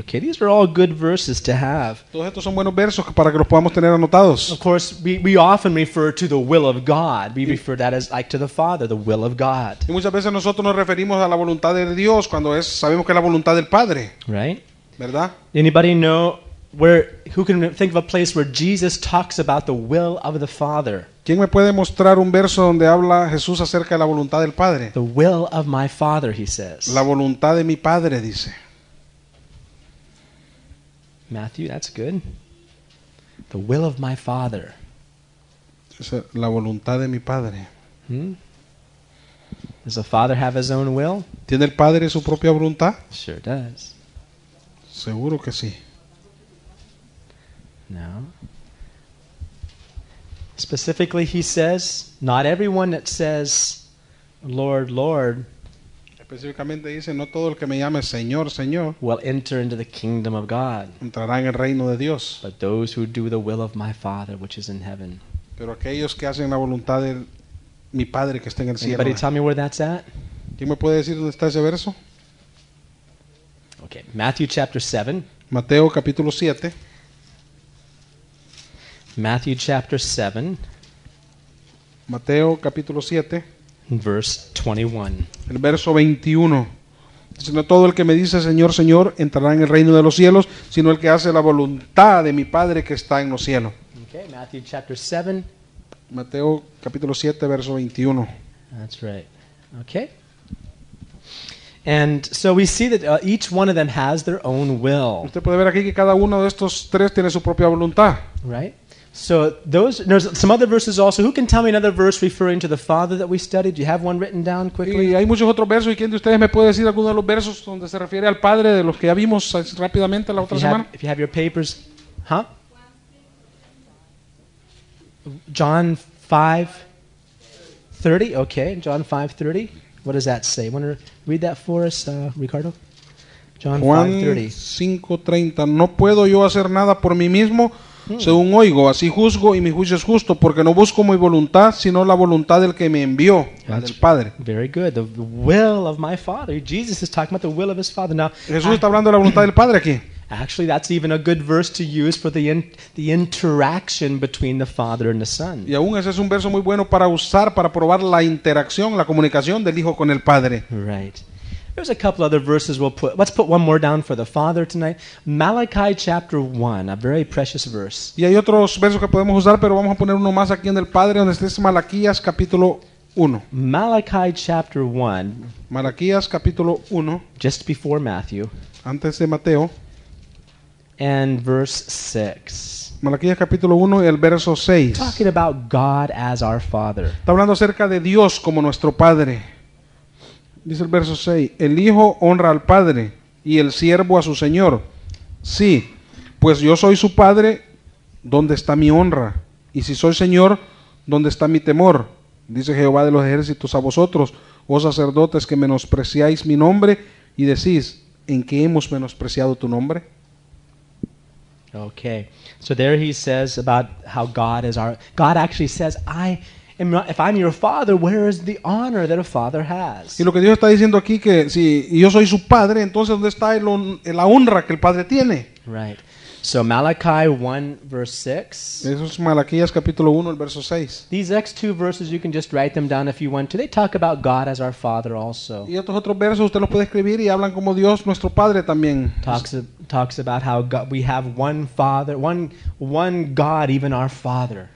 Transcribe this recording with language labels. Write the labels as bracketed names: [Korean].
[English] Okay, these are all good verses to have. [Spanish] Todos estos son buenos versos para que los podamos tener anotados. [English] Of course, we often refer to the will of God. We refer that as like to the Father, the will of God. [Spanish] Y muchas veces nosotros nos referimos a la voluntad de Dios cuando es sabemos que es la voluntad del Padre. [English] Right? [Spanish] ¿Verdad? [English] Anybody know who can think of a place where Jesus talks about the will of the Father? [Spanish] ¿Quién me puede mostrar un verso donde habla Jesús acerca de la voluntad del Padre? [English] The will of my Father, he says. [Spanish] La voluntad de mi Padre, dice. [English] Matthew, that's good. The will of my Father. [Spanish] La voluntad de mi Padre. [English] Hmm? Does the Father have his own will? [Spanish] ¿Tiene el Padre su propia voluntad? [English] Sure does. [Spanish] Seguro que sí. [English] No. Specifically, he says, not everyone that says, Lord, Lord, [Spanish] Específicamente dice, no todo el que me llame Señor, Señor [English] will enter into the kingdom of God. [Spanish] Entrará en el reino de Dios. [English] But those who do the will of my Father which is in heaven. [Spanish] Pero aquellos que hacen la voluntad de mi Padre que está en el cielo. [English] Anybody tell me where that's at? [Spanish] ¿Quién me puede decir dónde está ese verso? [English] Okay, Matthew chapter 7. [Spanish] Mateo capítulo 7. [English] Matthew chapter 7. [Spanish] Mateo capítulo 7. [English] Verse [Spanish] 21. El verso 21. Dice, no todo el que me dice Señor, Señor entrará en el reino de los cielos, sino el que hace la voluntad de mi Padre que está en los cielos. [English] Okay, Matthew chapter 7. [Spanish] Mateo capítulo 7, verso 21. [English] That's right. Okay. And so we see that each one of them has their own will. [Spanish] Usted puede ver aquí que cada uno de estos tres tiene su propia voluntad. [English] Right? So those, there's some other verses also. Who can tell me another verse referring to the Father that we studied? Do you have one written down quickly? [Spanish] Y hay muchos otros versos. ¿Y quién de ustedes me puede decir alguno de los versos donde se refiere al Padre de los que ya vimos rápidamente la otra [English] if [Spanish] semana? [English] Have, if you have your papers, huh? John 5:30. Okay, John 5:30. What does that say? Want to read that for us, Ricardo? John 5:30. [Spanish] No puedo yo hacer nada por mí mismo. Según oigo, así juzgo y mi juicio es justo, porque no busco mi voluntad, sino la voluntad del que me envió, la del Padre. [English] Very good. The will of my Father. Jesus is talking about the will of his Father. Now, [Spanish] Jesús está hablando de la voluntad del Padre aquí. [English] Actually, that's even a good verse to use for the interaction between the Father and the Son. [Spanish] Y aún ese es un verso muy bueno para usar para probar la interacción, la comunicación del Hijo con el Padre. [English] Right. There's a couple other verses we'll put. Let's put one more down for the Father tonight. Malachi chapter 1, a very precious verse. [Spanish] Y hay otros versos que podemos usar, pero vamos a poner uno más aquí en el Padre, donde está Malaquías capítulo 1. [English] Malachi chapter 1. [Spanish] Malaquías capítulo 1. [English] Just before Matthew. [Spanish] Antes de Mateo. [English] And verse 6. [Spanish] Malaquías capítulo 1 y el verso 6. Talking about God as our Father. Está hablando acerca de Dios como nuestro Padre. Dice el verso 6, el hijo honra al padre y el siervo a su señor. Sí, pues yo soy su padre, ¿dónde está mi honra? Y si soy señor, ¿dónde está mi temor? Dice Jehová de los ejércitos a vosotros, oh sacerdotes que menospreciáis mi nombre y decís, ¿en qué hemos menospreciado tu nombre? [English] Okay, so there he says about how God is our, God actually says, I if I'm your father, where is the honor that a father has? [Spanish] Y lo que Dios está diciendo aquí que si yo soy su padre, entonces ¿dónde está la honra que el padre tiene? [English] Right. So Malachi 1 verse 6. [Spanish] Eso es Malaquías capítulo 1 el verso 6. [English] These next two verses you can just write them down if you want to. They talk about God as our father also. [Spanish] Y estos otros versos usted los puede escribir y hablan como Dios nuestro padre también. [English] Talks about how God, we have one father, one God, even our father.